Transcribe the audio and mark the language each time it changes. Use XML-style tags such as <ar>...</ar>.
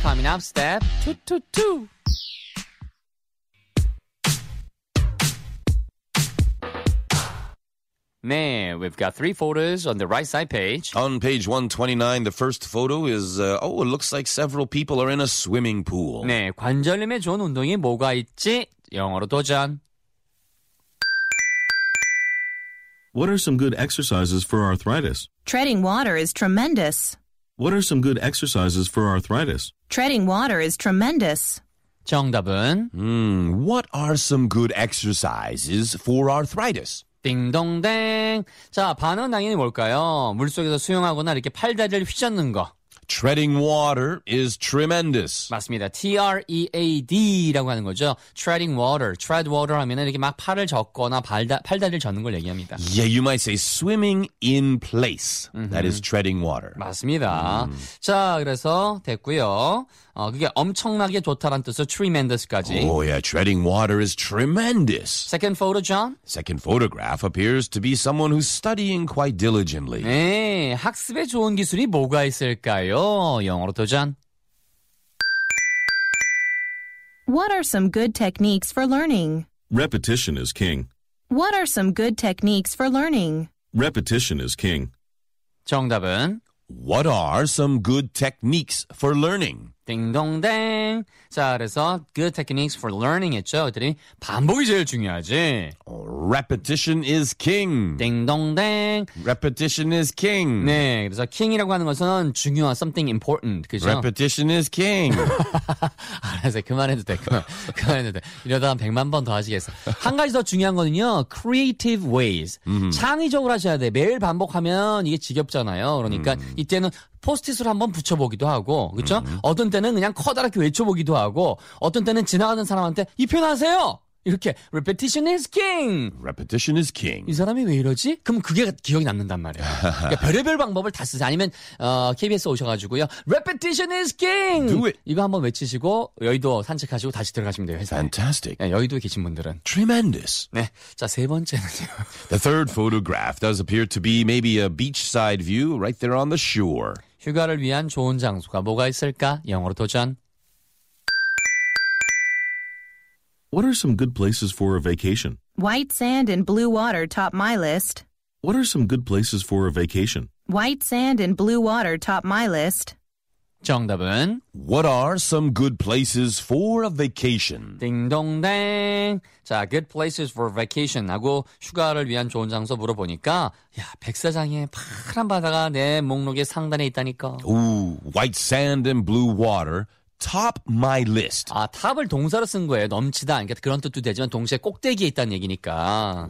<en>Coming up, step 2-2-2. Man, we've got three photos on the right side page. On page 129, the first photo is, it looks like several people are in a swimming pool.</en> <ko>네, 관절염에 좋은 운동이 뭐가 있지? 영어로 도전.</ko> <en>What are some good exercises for arthritis? Treading water is tremendous. What are some good exercises for arthritis? Treading water is tremendous.</en> <ko>정답은?</ko> <en>What are some good exercises for arthritis?</en> <ko>딩동댕. 자, 반응은 당연히 뭘까요? 물속에서 수영하거나 이렇게 팔다리를 휘젓는 거.</ko> <en>Treading water is tremendous.</en> <ko>맞습니다. T-R-E-A-D라고 하는 거죠.</ko> <en>Treading water.</en> <ko>Tread water 하면 이렇게 막 팔을 젓거나 팔다리를 젓는 걸 얘기합니다.</ko> <en>Yeah, you might say swimming in place. That is treading water.</en> <ko>맞습니다. 자, 그래서 됐고요. 그게 엄청나게 좋다란 뜻으로 tremendous까지.</ko> <en>Oh yeah, treading water is tremendous. Second photo, John? Second photograph appears to be someone who's studying quite diligently.</en> <ko>네, 학습에 좋은 기술이 뭐가 있을까요? 영어로 도전.</ko> <en>What are some good techniques for learning? Repetition is king. What are some good techniques for learning? Repetition is king.</en> <ko>정답은</ko> <en>What are some good techniques for learning?</en> <ko>띵동댕. 자, 그래서</ko> <en>good techniques for learning</en> <ko>했죠. 그들이 반복이 제일 중요하지.</ko> <en>Repetition is king.</en> <ko>띵동댕.</ko> <en>Repetition is king.</en> <ko>네, 그래서 king이라고 하는 것은 중요한</ko> <en>something important,</en> <ko>그죠?</ko> <en>Repetition is king.</en> <ko>알았어요. 그만해도 돼. 그만해도 돼. 이러다 한 100만 번 더 하시겠어. 한 가지 더 중요한 거는요.</ko> <en>Creative ways.</en> <ko>창의적으로 하셔야 돼. 매일 반복하면 이게 지겹잖아요. 그러니까 이때는 포스트잇을 한번 붙여보기도 하고, 그렇죠? 어떤 때는 그냥 커다랗게 외쳐보기도 하고, 어떤 때는 지나가는 사람한테 이 표현하세요! 이렇게</ko> <en>Repetition is king! Repetition is king.</en> <ko>이 사람이 왜 이러지? 그럼 그게 기억이 남는단 말이에요. 그러니까 별의별 방법을 다 쓰세요. 아니면 KBS 오셔가지고요.</ko> <en>Repetition is king! Do it!</en> <ko>이거 한번 외치시고 여의도 산책하시고 다시 들어가시면 돼요. 회사에.</ko> <en>Fantastic.</en> <ko>네, 여의도에 계신 분들은.</ko> <en>Tremendous.</en> <ko>네. 자, 세 번째는요.</ko> <en>The third photograph does appear to be maybe a beachside view right there on the shore.</en> <ko>휴가를 위한 좋은 장소가 뭐가 있을까? 영어로 도전.</ko> <en>What are some good places for a vacation? White sand and blue water top my list. What are some good places for a vacation? White sand and blue water top my list.</en> <ko>정답은</ko> <en>What are some good places for a vacation?</en> <ko>띵동댕. 자, good places for a vacation 하고 휴가를 위한 좋은 장소 물어보니까 야, 백사장의 파란 바다가 내 목록에 상단에 있다니까.</ko> <en>Ooh, white sand and blue water. Top my list.</en> <ko>아, top을 동사로 쓴 거예요. 넘치다. 그러니까 그런 뜻도 되지만 동시에 꼭대기에 있다는 얘기니까.</ko>